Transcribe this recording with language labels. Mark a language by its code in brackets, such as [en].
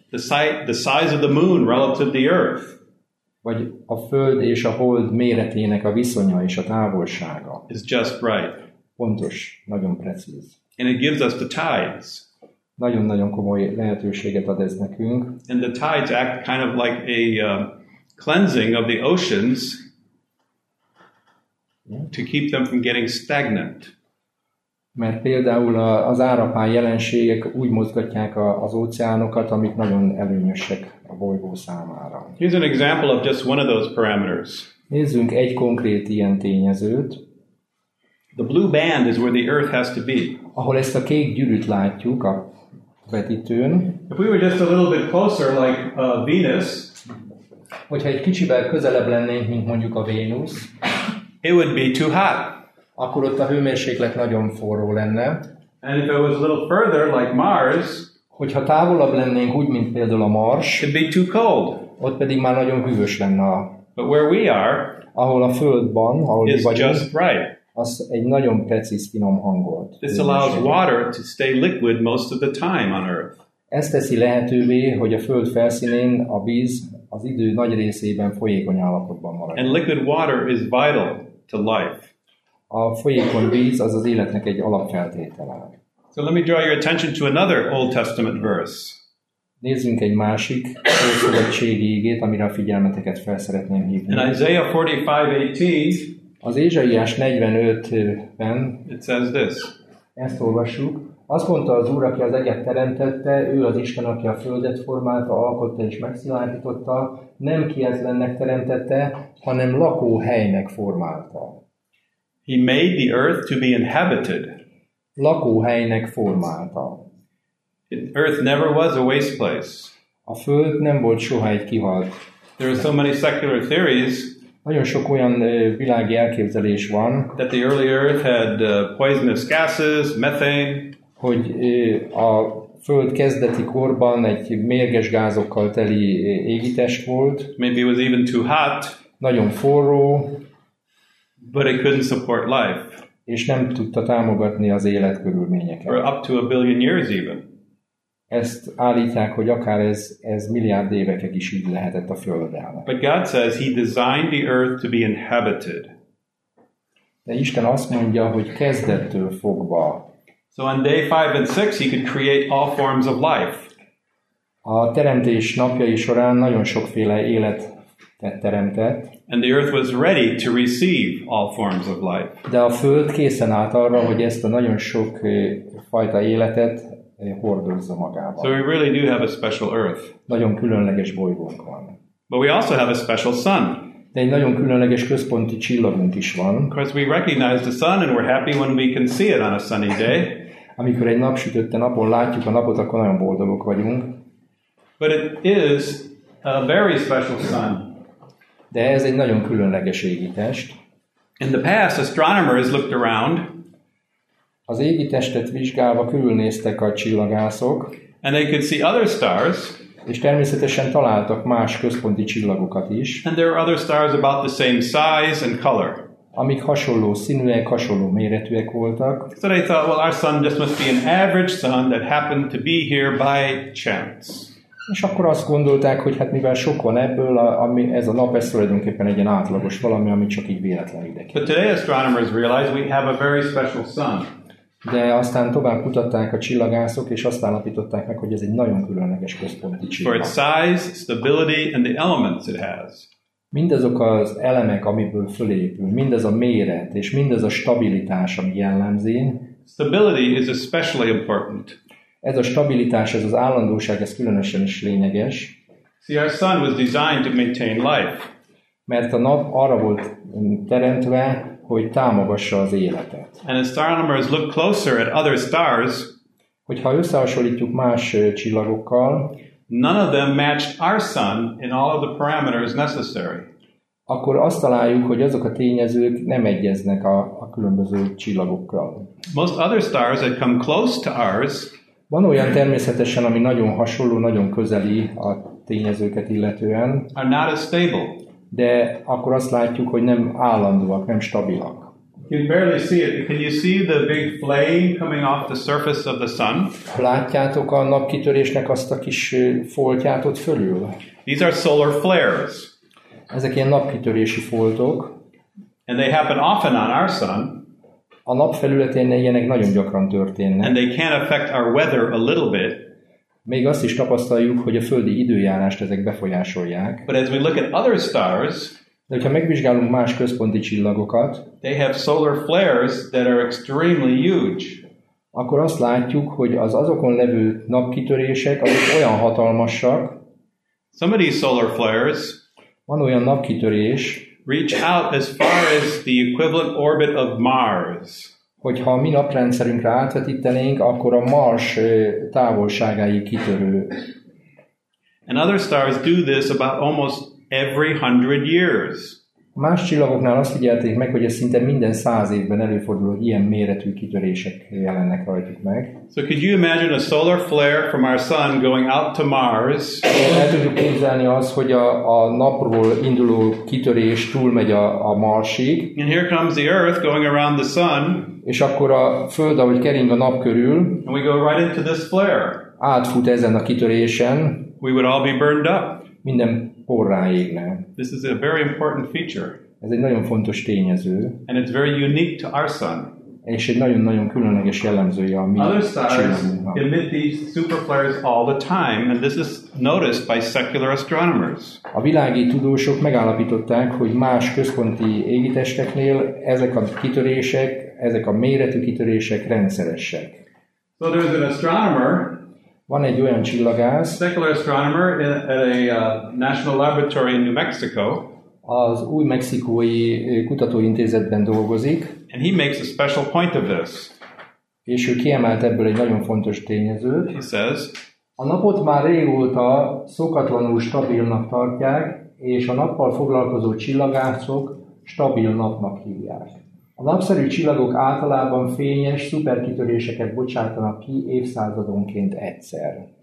[en] The size of the moon relative to the earth. [hu] Vagy a Föld és a Hold méretének a viszonya és a távolsága. [en] Is just right. [hu] Pontos, nagyon precíz. [en] And it gives us the tides. [hu] Nagyon-nagyon komoly lehetőséget ad ez nekünk. [en] And the tides act kind of like a cleansing of the oceans to keep them from getting stagnant. [hu] Mert például az árapály jelenségek úgy mozgatják az óceánokat, amik nagyon előnyösek a bolygó számára. [en] Here's an example of just one of those parameters. [hu] Nézzünk egy konkrét ilyen tényezőt. [en] The blue band is where the Earth has to be. [hu] Ahol ezt a kék gyűrűt látjuk a vetítőn. [en] If we were just a little bit closer, like Venus, [hu] hogyha egy kicsivel közelebb lennénk, mint mondjuk a Vénusz, [en] it would be too hot. [hu] Akkor ott a hőmérséklet nagyon forró lenne. [en] And if it was a little further, like Mars, [hu] hogyha távolabb lennénk, úgy, mint például a Mars, [en] it'd be too cold. [hu] Ott pedig már nagyon hűvös lenne. [en] But where we are, [hu] ahol a Földben, ahol [en] is [hu] mi vagyunk, [en] just right. [hu] Az egy nagyon precíz, finom hangolt. [en] This allows water to stay liquid most of the time on Earth. [hu] Ez teszi lehetővé, hogy a Föld felszínén a víz az idő nagy részében folyékony állapotban marad. [en] And liquid water is vital to life. [hu] A folyékony víz az az életnek egy alapfeltétele. [en] So let me draw your attention to another Old Testament verse. [hu] Nézzünk egy másik ószövetségi ígét, amire a figyelmeteket fel szeretném hívni. [en] In Isaiah 45:18, [hu] az Ézsaiás 45-ben [en] it says this. [hu] Ezt olvassuk. Azt mondta az Úr, aki az eget teremtette, ő az Isten, aki a földet formálta, alkotta és megszilárdította, nem kiezlennek teremtette, hanem lakóhelynek formálta. [en] He made the earth to be inhabited. [hu] Lakóhelynek formálta. [en] Earth never was a waste place. [hu] A Föld nem volt soha egy kihalt. [en] There are so many secular theories. [hu] Nagyon sok olyan világi elképzelés van. [en] That the early earth had poisonous gases, methane. [hu] Hogy a Föld kezdeti korban egy mérges gázokkal teli égítés volt. [en] Maybe it was even too hot. [hu] Nagyon forró. [en] But it couldn't support life. [hu] És nem tudta támogatni az élet körülményeket. [en] Or up to a billion years even. [hu] Ezt állítják, hogy akár ez milliárd évekig is így lehetett a Földdel. [en] But God says he designed the earth to be inhabited. [hu] De Isten azt mondja, hogy kezdettől fogva. [en] So on day 5 and 6 he could create all forms of life. [hu] A teremtés napjai során nagyon sokféle élet teremtett. [en] And the earth was ready to receive all forms of life. [hu] De a Föld készen állt arra, hogy ezt a nagyon sok fajta életet hordozza magában. [en] So we really do have a special earth. [hu] Nagyon különleges bolygónk van. [en] But we also have a special sun. [hu] De egy nagyon különleges központi csillagunk is van. [en] Because we recognize the sun and we're happy when we can see it on a sunny day. [hu] Amikor egy napsütötte napon látjuk a napot, akkor nagyon boldogok vagyunk. [en] But it is a very special sun. [hu] De ez egy nagyon különleges égitest. [en] In the past, astronomers looked around. [hu] Az égitestet vizsgálva körülnéztek a csillagászok. [en] And they could see other stars. [hu] És természetesen találtak más központi csillagokat is. [en] And there are other stars about the same size and color. [hu] Amik hasonló színűek, hasonló méretűek voltak. [en] So they thought, well, our sun just must be an average sun that happened to be here by chance. [hu] És akkor azt gondolták, hogy hát mivel sok van ebből, ami ez a nap, ez tulajdonképpen egy ilyen átlagos valami, ami csak így véletlen ide. [en] But today astronomers realize we have a very special sun. [hu] De aztán tovább kutatták a csillagászok, és azt állapították meg, hogy ez egy nagyon különleges központi csillag. [en] For its size, stability and the elements it has. [hu] Mindazok az elemek, amiből fölépül, mindez a méret és mindez a stabilitás, ami jellemzi. [en] Stability is especially important. [hu] Ez a stabilitás, ez az állandóság, ez különösen is lényeges. [en] See, our sun was designed to maintain life. [hu] Mert a nap arra volt teremtve, hogy támogassa az életet. [en] And astronomers look closer at other stars, [hu] hogyha összehasonlítjuk más csillagokkal, [en] none of them matched our sun in all of the parameters necessary. [hu] Akkor azt találjuk, hogy azok a tényezők nem egyeznek a különböző csillagokkal. [en] Most other stars that come close to ours, [hu] van olyan természetesen, ami nagyon hasonló, nagyon közeli a tényezőket illetően, [en] are not as stable. [hu] De akkor azt látjuk, hogy nem állandóak, nem stabilak. [en] You can barely see it. Can you see the big flame coming off the surface of the sun? [hu] Látjátok a napkitörésnek azt a kis foltját ott fölül? [en] These are solar flares. [hu] Ezek ilyen napkitörési foltok. [en] And they happen often on our sun. [hu] A nap felületén ilyenek nagyon gyakran történnek. [en] And they can affect our weather a little bit. [hu] Még azt is tapasztaljuk, hogy a földi időjárást ezek befolyásolják. [en] But as we look at other stars, [hu] de ha megvizsgálunk más központi csillagokat, [en] they have solar flares that are extremely huge. [hu] Akkor azt látjuk, hogy az azokon levő napkitörések azok olyan hatalmasak. [en] Some of these solar flares, [hu] van olyan napkitörés, [en] reach out as far as the equivalent orbit of Mars. [hu] Hogyha a mi naprendszerünkre átvetítenénk, akkor a Mars távolságáig kitörő. [en] And other stars do this about almost every 100 years. [hu] Más csillagoknál azt figyelték meg, hogy ez szinte minden 100 évben előfordul, hogy ilyen méretű kitörések jelennek rajtuk meg. [en] So could you imagine a solar flare from our sun going out to Mars? [hu] El tudjuk képzelni azt, hogy a napról induló kitörés túlmegy a Marsig. [en] And here comes the Earth going around the sun. [hu] És akkor a Föld, ahogy kering a nap körül, [en] and we go right into this flare. [hu] Átfut ezen a kitörésen. [en] We would all be burned up. [hu] Minden porrá égne. [en] This is a very important feature. [hu] Ez egy nagyon fontos tényező. [en] And it's very unique to our sun. [hu] És egy nagyon-nagyon különleges jellemzője a mi csillagunknak. [en] Other stars emit these super flares all the time, and this is noticed by secular astronomers. [hu] A világi tudósok megállapították, hogy más központi égitesteknél ezek a kitörések, ezek a méretű kitörések rendszeresek. [en] So there's an astronomer. [hu] Van egy olyan csillagász, [en] secular astronomer at a national laboratory in New Mexico, [hu] az új-mexikói kutatóintézetben dolgozik, [en] and he makes a special point of this. [hu] És ő kiemelt ebből egy nagyon fontos tényezőt. [en] He says, [hu] a napot már régóta szokatlanul stabilnak tartják, és a nappal foglalkozó csillagászok stabil napnak hívják. A napszerű csillagok általában fényes szuperkitöréseket bocsátanak ki évszázadonként egyszer.